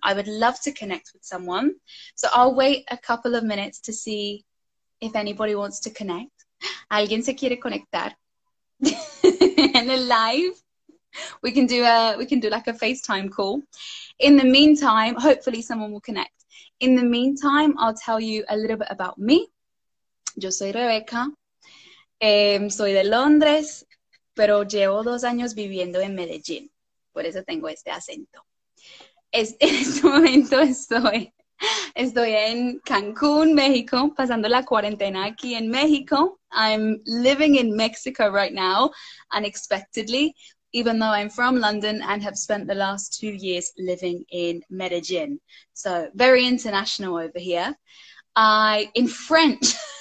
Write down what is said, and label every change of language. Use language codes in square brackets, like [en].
[en] I would love to connect with someone. So I'll wait a couple of minutes to see if anybody wants to connect. [es] ¿Alguien se quiere conectar? [en] In the live, we can do like a FaceTime call. In the meantime, hopefully someone will connect. In the meantime, I'll tell you a little bit about me. [es] Yo soy Rebeca. Soy de Londres, pero llevo 2 años viviendo en Medellín. Por eso tengo este acento. En este momento estoy en Cancún, México, pasando la cuarentena aquí en México. [en] I'm living in Mexico right now, unexpectedly, even though I'm from London and have spent the last 2 years living in Medellín. So very international over here. In French.